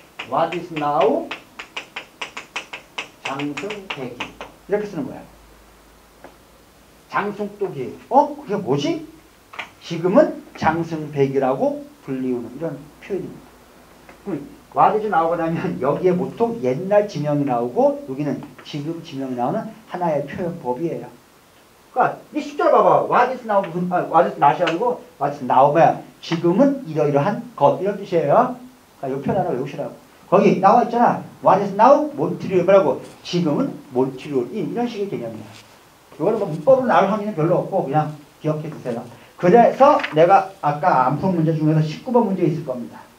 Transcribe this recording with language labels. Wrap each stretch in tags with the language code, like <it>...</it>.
<en>What is now?</en> <ko>장승대기. 이렇게 쓰는 거야. 장승똑이. 어? 그게 뭐지? 지금은 장승백이라고 불리우는 이런 표현입니다. 그럼</ko> <en>What is now</en> <ko>가 나면 여기에 보통 옛날 지명이 나오고 여기는 지금 지명이 나오는 하나의 표현법이에요. 그러니까 이 숫자를 봐봐.</ko> <en>What is now? 무슨, What is not이</en> <ko>아니고</ko> <en>What is now?</en> <ko>뭐야? 지금은 이러이러한 것. 이런 뜻이에요. 그러니까 이 표현 하나 외우시라고. 거기 나와 있잖아.</ko> <en>What is now?</en> <ko>Montreal 뭐라고? 지금은 Montreal 이런 식의 개념이야. 이거는 뭐 문법으로 나올 확률은 별로 없고 그냥 기억해 주세요. 그래서 내가 아까 안 푼 문제 중에서 19번 문제 있을 겁니다.</ko>